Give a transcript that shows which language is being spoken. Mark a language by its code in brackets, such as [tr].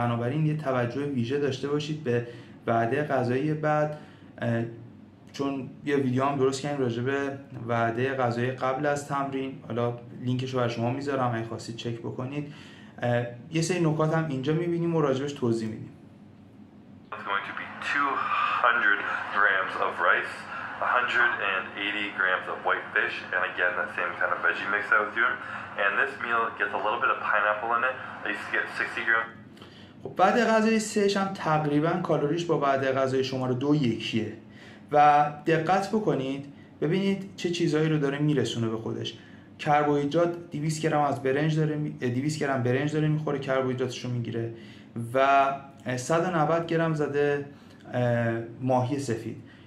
[fa] بنابراین یه توجه ویژه داشته باشید به وعده غذایی بعد، چون یه ویدیو هم درست کردیم راجع به وعده غذایی قبل از تمرین، حالا لینکش رو برای شما میذارم اگه خواستید چک بکنید. یه سری نکات هم اینجا میبینیم و راجعش توضیح میدیم. [en] 200 grams of rice, 180 grams of white fish, and again that same kind of veggie mix I was doing. And this meal gets a little bit of pineapple in it. I used to get 60 grams. [fa] خب بعد غذای سهش هم تقریبا کالریش با بعد غذای شماره دو یکیه و دقت بکنید ببینید چه چیزهایی رو داره میرسونه به خودش. کربوهیدرات 200 گرم از برنج داره 200 گرم برنج داره میخوره، کربوهیدراتش رو میگیره و 190 گرم زده ماهی سفید.